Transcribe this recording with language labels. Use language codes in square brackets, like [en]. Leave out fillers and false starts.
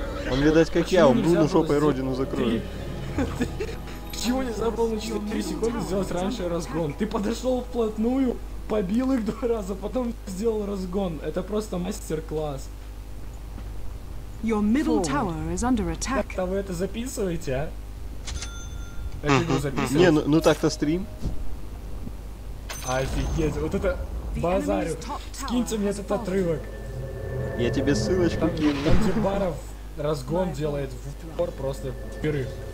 [ru] Он, видать, как я, он Бруно шопой родину закроет. Чего нельзя было на 4 секунды сделать раньше разгон? Ты подошел вплотную, побил их 2 раза, потом сделал разгон. Это просто мастер-класс. [en] Your middle tower is under attack. [ru] Как-то вы это записываете, а? Эту игру записываете? Не, ну так-то стрим. Офигеть, вот это... базарю. Скиньте мне этот отрывок. Я тебе ссылочку кину. Там где Баров разгон делает в упор просто вперед.